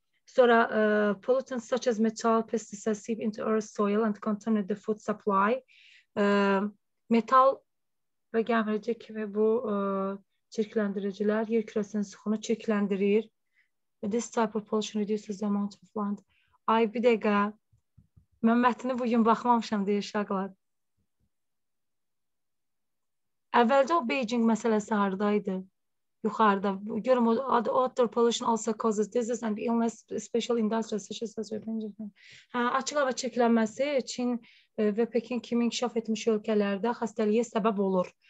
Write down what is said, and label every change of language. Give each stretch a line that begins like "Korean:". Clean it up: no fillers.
English: Sonra, pollutants such as metal, pesticides seep into earth soil and contaminate the food supply.
Azerbaijani: Metal və gəmirici kimi bu çirkləndiricilər yer kürəsinin suxunu çirkləndirir.
English: This type of pollution reduces the amount of land.
Azerbaijani: Ay, bir dəqiqə. Mən mətnini bugün baxmamışam, deyə şaqlar. Əvvəldə o Beijing məsələsi haradaydı? Yuxarıda.
English: Görüm, outdoor pollution also causes disease and illness, special industrial such as Beijing.
Azerbaijani: Hə, açıq hava çirklənməsi Çin və Pekin kimi inkişaf etmiş ölkələrdə xəstəliyə səbəb olur.